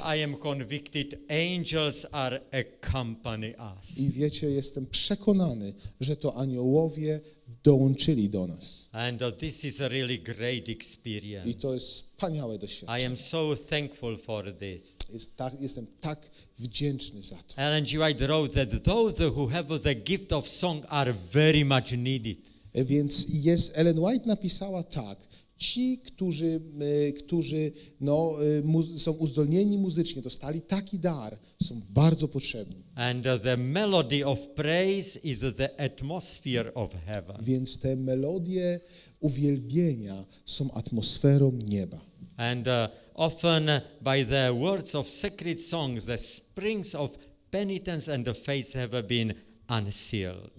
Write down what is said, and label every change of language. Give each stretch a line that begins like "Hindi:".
English: And I am convicted, angels are accompany us.
Polish: I wiecie, jestem przekonany, że to aniołowie dołączyli do nas.
English: And this is a really great experience.
Polish: I to jest wspaniałe doświadczenie.
English: I am so thankful for this.
Polish: Jestem tak wdzięczny za to.
English: Ellen G. White wrote that those who have the gift of song are very much needed.
Polish: Więc jest, Ellen White napisała tak, ci, którzy są uzdolnieni muzycznie, dostali taki dar, są bardzo potrzebni.
English: And the melody of praise is the atmosphere of heaven.
Polish: Więc te melodie uwielbienia są atmosferą nieba.
English: And often by the words of sacred songs, the springs of penitence and the faith have been unsealed.